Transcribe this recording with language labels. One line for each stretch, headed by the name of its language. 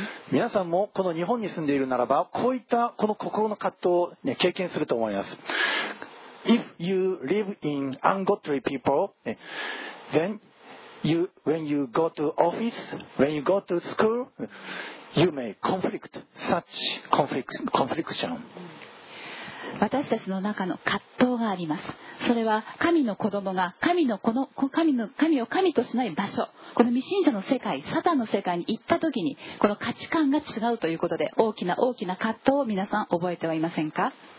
Japanese: 皆さんもこの日本に住んでいるならば、こういったこの心の葛藤を、ね、経験すると思います。
English: If you live in ungodly people, then when you go to office, when you go to school, You may conflict such confliction.
Japanese: 私たちの中の葛藤があります。それは神の子供が神を神としない場所、この未信者の世界、サタンの世界に行った時にこの価値観が違うということで、大きな大きな葛藤を皆さん覚えてはいませんか。